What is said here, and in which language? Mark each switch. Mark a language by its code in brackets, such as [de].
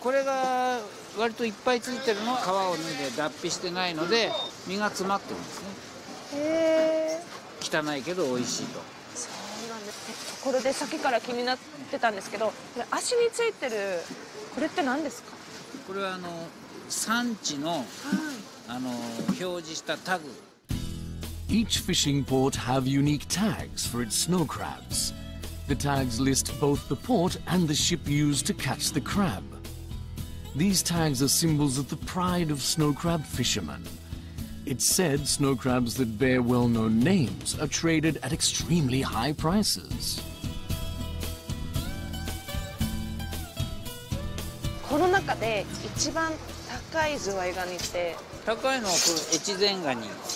[ja] これが割といっぱいついてるのは皮を脱いで脱皮してないので身が詰まってるんですね。へえ。汚いけど美味しいと。そうなんです。ところで先から気になってたんですけど、足についてるこれって何ですか？これは産地の、表示したタグ。 [en] Each fishing port have unique tags for its snow crabs. The tags list both the port and the ship used to catch the crab. These tags are symbols of the pride of snow crab fishermen. It's said snow crabs that bear well-known names are traded at extremely high prices. [ja] コロナ禍で一番高いズワイガニって、高いのはこれ越前ガニ。